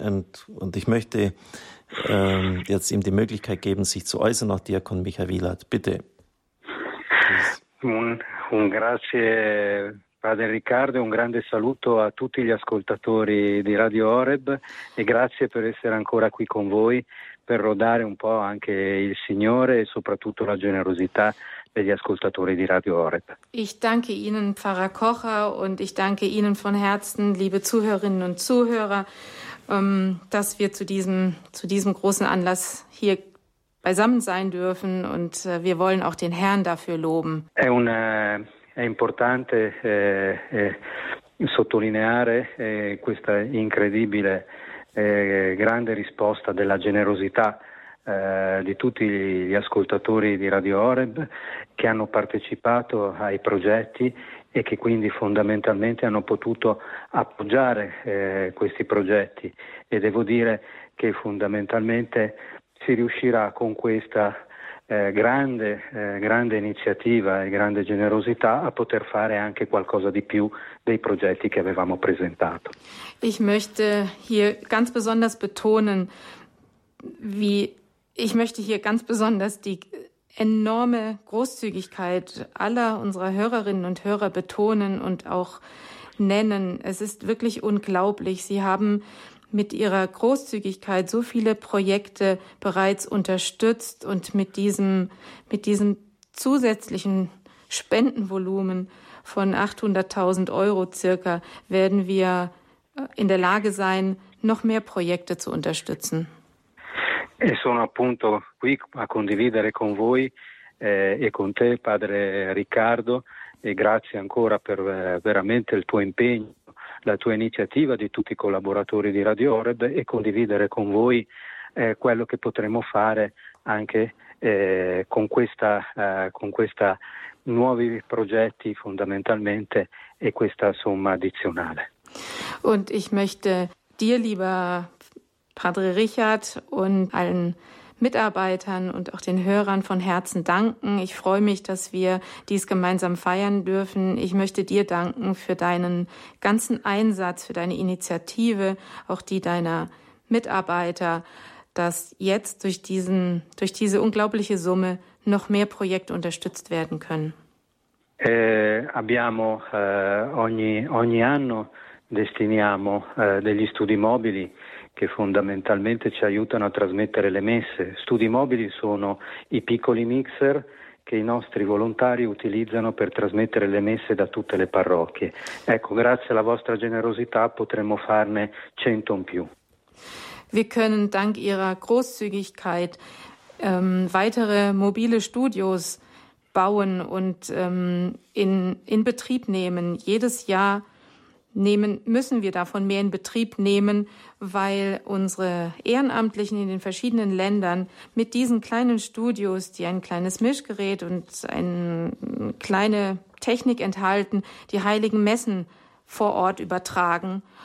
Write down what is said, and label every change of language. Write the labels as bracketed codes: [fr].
[de] Und ich möchte jetzt ihm die Möglichkeit geben, sich zu äußern, auch Diakon Michael Wielert. Bitte. [it] Un grazie. Padre Riccardo, un grande saluto a tutti gli ascoltatori di Radio Horeb e grazie per essere ancora qui con voi per rodare un po' anche il Signore e soprattutto la generosità degli ascoltatori di Radio Horeb. [de] Ich danke Ihnen, Pfarrer Kocher, und ich danke Ihnen von Herzen, liebe Zuhörerinnen und Zuhörer, dass wir zu diesem großen Anlass hier beisammen sein dürfen, und wir wollen auch den Herrn dafür loben. [it] È importante sottolineare questa incredibile, grande risposta della generosità di tutti gli ascoltatori di Radio Horeb che hanno partecipato ai progetti e che quindi fondamentalmente hanno potuto appoggiare questi progetti. E devo dire che fondamentalmente si riuscirà con questa grande iniziativa e grande generosità a poter fare anche qualcosa di più dei progetti che avevamo presentato. [de] Ich möchte hier ganz besonders betonen, die enorme Großzügigkeit aller unserer Hörerinnen und Hörer betonen und auch nennen. Es ist wirklich unglaublich. Sie haben mit ihrer Großzügigkeit so viele Projekte bereits unterstützt und mit diesem zusätzlichen Spendenvolumen von 800.000 Euro circa werden wir in der Lage sein, noch mehr Projekte zu unterstützen. [it] E sono appunto qui a condividere con voi e con te, Padre Riccardo, e grazie ancora per veramente il tuo impegno, la tua iniziativa, di tutti i collaboratori di Radio Horeb, e condividere con voi quello che potremo fare anche con questi nuovi progetti fondamentalmente e questa somma addizionale. [de] Und ich möchte dir, lieber Padre Richard, und allen Mitarbeitern und auch den Hörern von Herzen danken. Ich freue mich, dass wir dies gemeinsam feiern dürfen. Ich möchte dir danken für deinen ganzen Einsatz, für deine Initiative, auch die deiner Mitarbeiter, dass jetzt durch diese unglaubliche Summe noch mehr Projekte unterstützt werden können. [it] Abbiamo ogni anno destiniamo degli studi mobili che fondamentalmente ci aiutano a trasmettere le messe. Studi mobili sono i piccoli mixer che i nostri volontari utilizzano per trasmettere le messe da tutte le parrocchie. Ecco, grazie alla vostra generosità potremmo farne 100 in più. [de] Wir können dank ihrer Großzügigkeit weitere mobile Studios bauen und in Betrieb nehmen. Jedes Jahr müssen wir davon mehr in Betrieb nehmen, weil unsere Ehrenamtlichen in den verschiedenen Ländern mit diesen kleinen Studios, die ein kleines Mischgerät und eine kleine Technik enthalten, die heiligen Messen vor Ort übertragen.